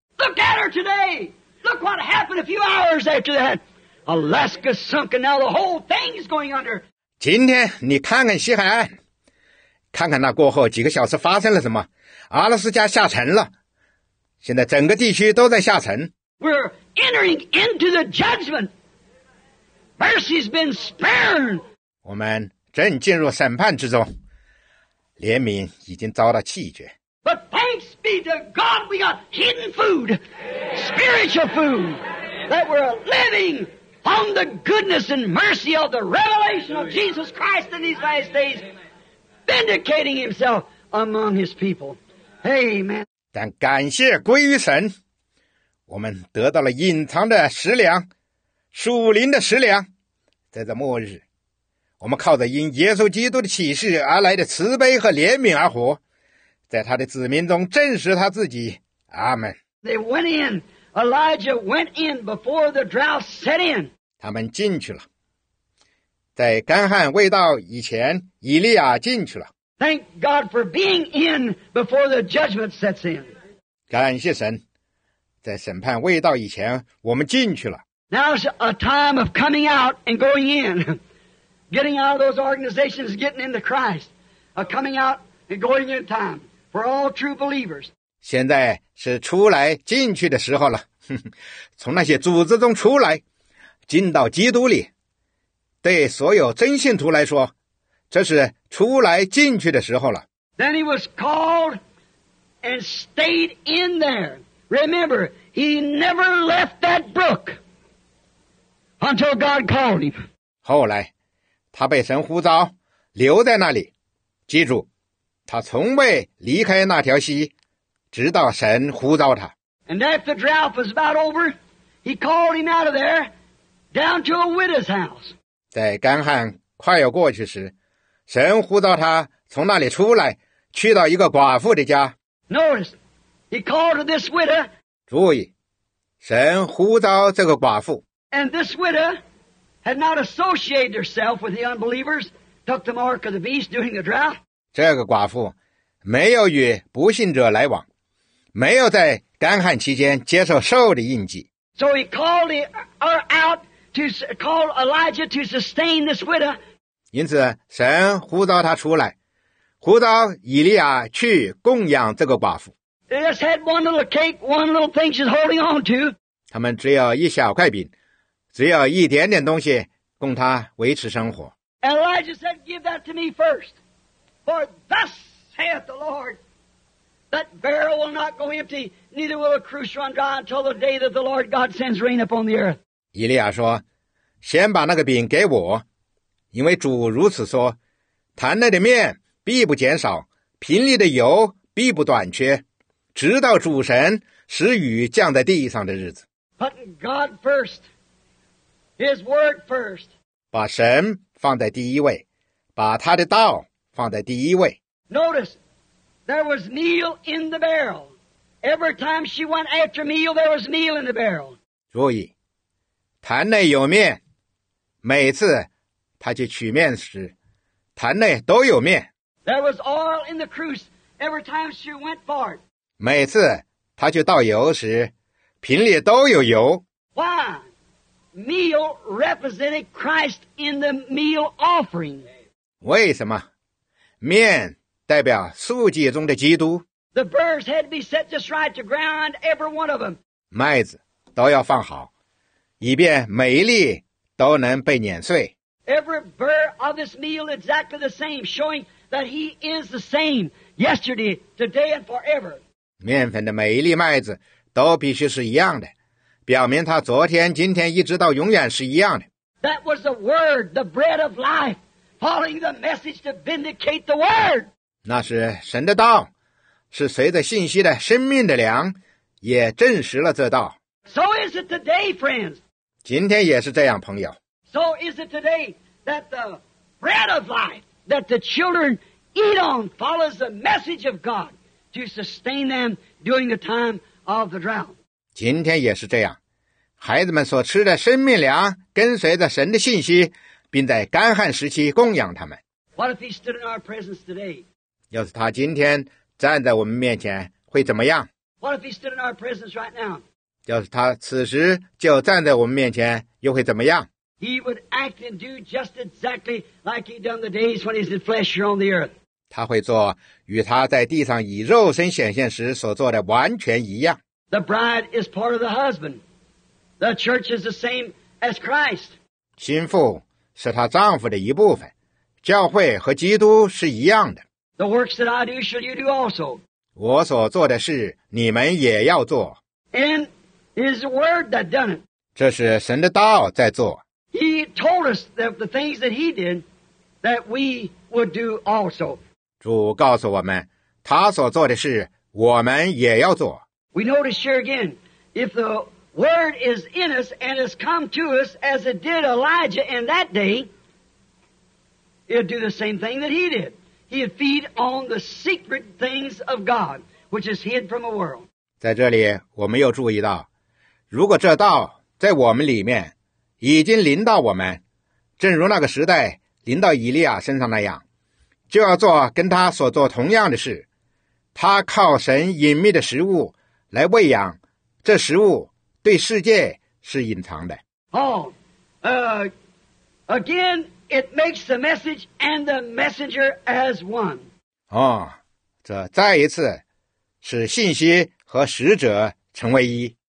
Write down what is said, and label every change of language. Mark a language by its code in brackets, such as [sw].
[en] Look at her today. Look what happened a few hours after that. Alaska sunk and now the whole thing is going under. [zh] 今天你看看西海岸，看看那过后几个小时发生了什么。阿拉斯加下沉了，现在整个地区都在下沉。 [en] We're entering into the judgment. Mercy's been spurned. [zh] 我们正进入审判之中，怜悯已经遭到弃绝。 [en] But thanks be to God, we got hidden food, spiritual food, that we're living. On the goodness and mercy of the revelation of Jesus Christ in these last days, vindicating himself among his people. Amen. [zh] 但感谢归于神，我们得到了隐藏的食粮，属灵的食粮。在这末日，我们靠着因耶稣基督的启示而来的慈悲和怜悯而活，在他的子民中证实他自己。阿们。 [en] They went in. Elijah went in before the drought set in. [zh] 他们进去了，在干旱未到以前，以利亚进去了。 [en] Thank God for being in before the judgment sets in. [zh] 感谢神，在审判未到以前，我们进去了。 [en] Now's a time of coming out and going in, getting out of those organizations, getting into Christ, a coming out and going in time for all true believers. [zh] 现在是出来进去的时候了，从那些组织中出来，进到基督里。对所有真信徒来说，这是出来进去的时候了。 [en] Then he was called and stayed in there. Remember, he never left that brook until God called him. [zh] 后来，他被神呼召，留在那里。记住，他从未离开那条溪。直到神呼召他。 [en] And after the drought was about over, he called him out of there, down to a widow's house. [zh] 在干旱快要过去时，神呼召他从那里出来，去到一个寡妇的家。 [en] Notice, he called this widow. [zh] 注意，神呼召这个寡妇。 [en] And this widow had not associated herself with the unbelievers, took the mark of the beast during the drought. [zh] 这个寡妇没有与不信者来往。没有在干旱期间接受兽的印记。 [en] So he called her out to call Elijah to sustain this widow. [zh] 因此神呼召他出来，呼召以利亚去供养这个寡妇。 [en] They just had one little cake, one little thing she's holding on to. [zh] 他们只有一小块饼，只有一点点东西供他维持生活。 [en] And Elijah said, give that to me first, for thus saith the Lord. That barrel will not go empty, neither will a cruse run dry until the day that the Lord God sends rain upon the earth. [zh] 以利亚说，先把那个饼给我，因为主如此说，坛内的面必不减少，瓶里的油必不短缺，直到主神使雨降在地上的日子。 [en] Put God first, His word first. [zh] 把神放在第一位，把他的道放在第一位。 [en] Notice,There was meal in the barrel. Every time she went after meal, there was meal in the barrel. [zh] 注意，坛内有面，每次她去取面时，坛内都有面。 [en] There was oil in the cruse every time she went for it. [zh] 每次她去倒油时，瓶里都有油。 [en] Why? Meal represented Christ in the meal offering. [zh] 为什么？面代表素祭中的基督。 [en] The burrs had to be set just right to ground every one of them. [zh] 麦子都要放好，以便每一粒都能被碾碎。 [en] Every burr of this meal exactly the same, showing that he is the same yesterday, today, and forever. [zh] 面粉的每一粒麦子都必须是一样的，表明他昨天、今天一直到永远是一样的。 [en] That was the word, the bread of life, following the message to vindicate the word. [zh] 那是神的道，是随着信息的生命的粮，也证实了这道。 [en] So is it today, friends. [zh] 今天也是这样，朋友。 [en] So is it today that the bread of life that the children eat on follows the message of God to sustain them during the time of the drought. [zh] 今天也是这样，孩子们所吃的生命粮跟随着神的信息，并在干旱时期供养他们。 [en] What if he stood in our presence today? [zh] 要是他今天站在我们面前会怎么样？ [en] What if he stood in our presence right now? [zh] 要是他此时就站在我们面前又会怎么样？ [en] He would act and do just exactly like he'd done the days when he's in flesh here on the earth. [zh] 他会做与他在地上以肉身显现时所做的完全一样。 [en] The bride is part of the husband. The church is the same as Christ. [zh] 新妇是她丈夫的一部分，教会和基督是一样的。 [en] The works that I do, shall you do also. [zh] 我所做的事，你们也要做。 [en] And his word that done it. [zh] 这是神的道在做。 [en] He told us that the things that he did, that we would do also. [zh] 主告诉我们，他所做的事，我们也要做。 [en] We notice here again, if the word is in us and has come to us as it did Elijah in that day, it'd do the same thing that he did. He'd feed on the secret things of God, which is hid from the world. [zh] 在这里我们又注意到，如果这道在我们里面已经临到我们，正如那个时代临到以利亚身上那样，就要做跟他所做同样的事。他靠神隐秘的食物来喂养，这食物对世界是隐藏的。 [en] Again, it makes the message and the messenger as one. [zh] 哦，这再一次使信息和使者成为一。